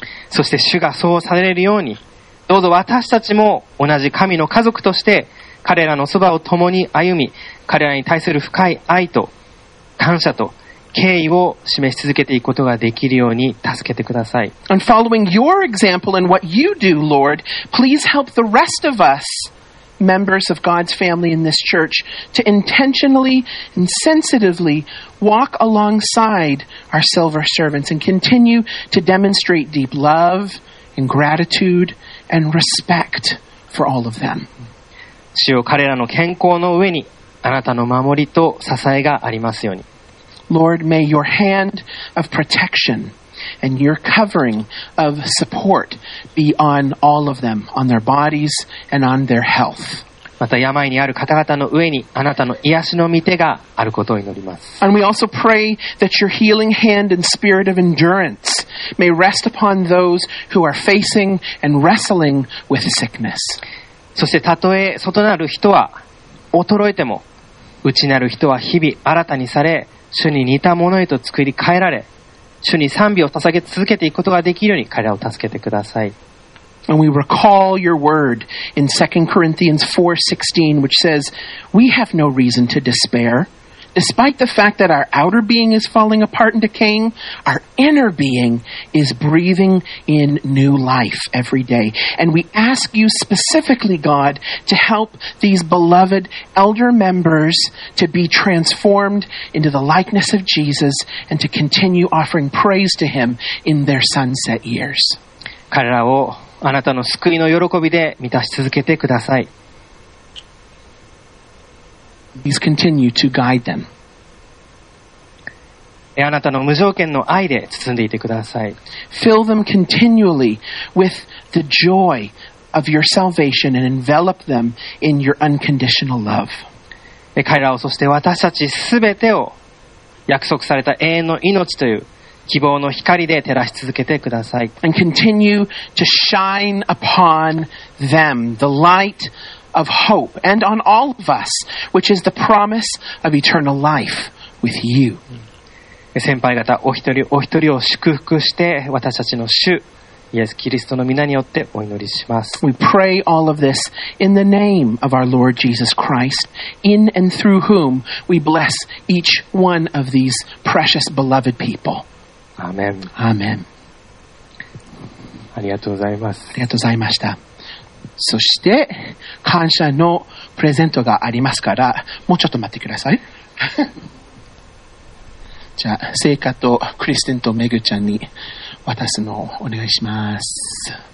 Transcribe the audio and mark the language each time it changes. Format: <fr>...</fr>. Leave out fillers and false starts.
<ja>そして主がそうされるように、どうぞ私たちも同じ神の家族として彼らのそばを共に歩み、彼らに対する深い愛と感謝と敬意を示し続けていくことができるように助けてください。</ja> <en>And following your example and what you do, Lord, please help the rest of us, members of God's family in this church, to intentionally and sensitively walk alongside our silver servants and continue to demonstrate deep love and gratitude and respect for all of them.</en> <ja>主よ、彼らの健康の上にあなたの守りと支えがありますように。</ja> <en>Lord, may your hand of protection and your covering of support be on all of them, on their bodies and on their health.</en> <ja>また病にある方々の上にあなたの癒しの御手があることを祈ります。</ja> <en>And we also pray that your healing hand and spirit of endurance may rest upon those who are facing and wrestling with sickness.</en> <ja>そしてたとえ外なる人は衰えても、内なる人は日々新たにされ、主に似たものへと作り変えられ、主に賛美を捧げ続けていくことができるように彼らを助けてください。</ja> <en>And we recall your word in 2 Corinthians 4:16, which says, "We have no reason to despair, despite the fact that our outer being is falling apart and decaying, our inner being is breathing in new life every day." And we ask you specifically, God, to help these beloved elder members to be transformed into the likeness of Jesus and to continue offering praise to Him in their sunset years.</en> <ja>彼らをあなたの救いの喜びで満たし続けてください。</ja> <en>Please continue to guide them.</en> <ja>あなたの無条件の愛で包んでいてください。</ja> <en>Fill them continually with the joy of your salvation and envelop them in your unconditional love.</en> <ja>彼らを、そして私たちすべてを約束された永遠の命という希望の光で照らし続けてください。</ja> <en>And continue to shine upon them the light of hope and on all of us, which is the promise of eternal life with you.</en> <ja>先輩方、お一人お一人を祝福して、私たちの主、イエス・キリストの御名によってお祈りします。</ja> <en>We pray all of this in the name of our Lord Jesus Christ, in and through whom we bless each one of these precious beloved people. Amen. Amen.</en> <ja>ありがとうございます。ありがとうございました。そして感謝のプレゼントがありますから、もうちょっと待ってください。じゃあ聖火とクリステンとメグちゃんに渡すのをお願いします。</ja>